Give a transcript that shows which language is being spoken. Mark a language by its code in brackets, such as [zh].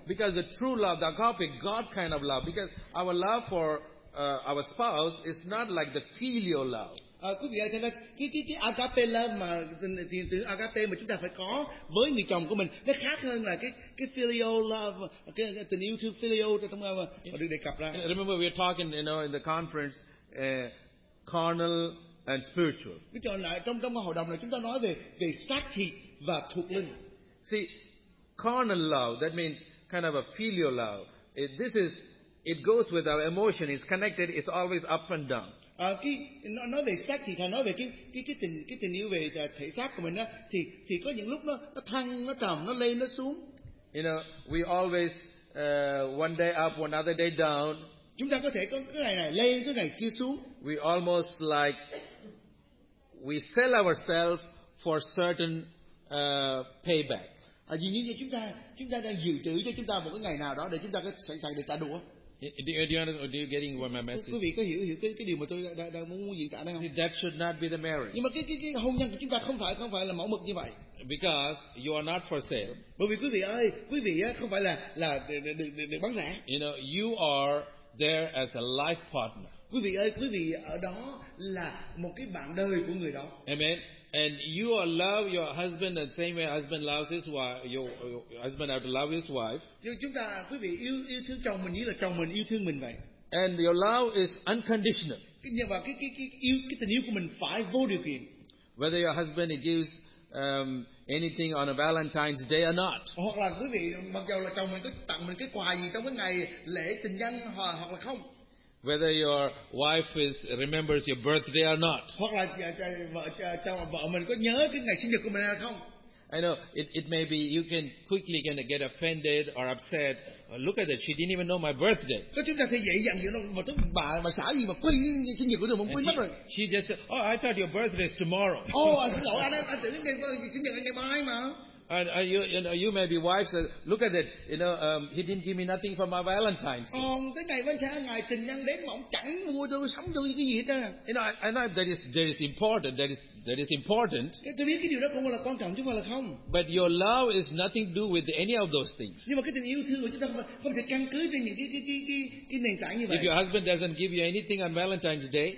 [en] Because the true love, the agape, God kind of love, because our love for our spouse is not like the filial love. [vi] Quý vị ơi, thế là cái agape love mà từ agape mà chúng ta phải có với người chồng của mình nó khác hơn là cái filial love, cái tình yêu thương filial trong trong mà được đề cập ra. [en] Remember we were talking, you know, in the conference carnal and spiritual. [vi] Cái chỗ này trong hội đồng này chúng ta nói về xác thịt và thuộc linh. [en] See, carnal love, that means kind of a filial love. It goes with our emotion. It's connected. It's always up and down. [vi] Nói về xác thịt, nói về cái tình yêu về thể xác của mình đó, thì có những lúc nó thăng, nó trầm, nó lên, nó xuống. [en] You know, we always one day up, one other day down. [vi] Chúng ta có thể có cái ngày này lên, cái ngày kia xuống. [en] We almost like we sell ourselves for certain payback. [vi] Dường như chúng ta đang dự trữ cho chúng ta một cái ngày nào đó để chúng ta có sẵn sàng để trả đũa. [en] Do you getting what my message? [vi] Quý vị có hiểu cái điều mà tôi đang muốn diễn tả đây không? [en] That should not be the marriage. [vi] Nhưng mà cái hôn nhân của chúng ta không phải là mẫu mực như vậy. [en] Because you are not for sale. [vi] Bởi vì quý vị ơi, quý vị không phải là được bán rẻ. [en] You know, you are there as a life partner. [vi] Quý vị ơi, quý vị ở đó là một cái bạn đời của người đó. [en] Amen. And you are love your husband the same way husband loves his wife. Your husband have to love his wife. [vi] Chúng ta quý vị yêu thương chồng mình như là chồng mình yêu thương mình vậy. [en] And your love is unconditional. [vi] Nhưng mà cái tình yêu của mình phải vô điều kiện. [en] Whether your husband gives anything on a Valentine's Day or not. [vi] Hoặc là quý vị mặc dù là chồng mình có tặng mình cái quà gì trong cái ngày lễ tình nhân hoặc là không. [en] Whether your wife remembers your birthday or not. [vi] Hoặc là vợ mình có nhớ cái ngày sinh nhật của mình hay không. [en] I know it may be you can quickly can get offended or upset. Look at that, she didn't even know my birthday. [vi] Có chúng ta thì dễ dàng vậy mà tức bà xã gì mà quên sinh nhật của tôi mà quên mất rồi. [en] She just said, oh, I thought your birthday is tomorrow. [vi] Oh, xin lỗi anh tưởng ngày sinh nhật ngày mai mà. [en] And you may be wife says, look at it, you know, he didn't give me nothing for my Valentine's Day. [vi] Tới ngày Valentine's, ngày tình nhân đến mà ông chẳng mua tôi sắm cho tôi cái gì hết á. [en] You know, I know that is important. That is important. [vi] Tôi biết cái điều đó không là quan trọng chứ không là không. [en] But your love is nothing to do with any of those things. [vi] Nhưng mà cái tình yêu thương của chúng ta không thể căn cứ trên những cái nền tảng như vậy. [en] If your husband doesn't give you anything on Valentine's Day,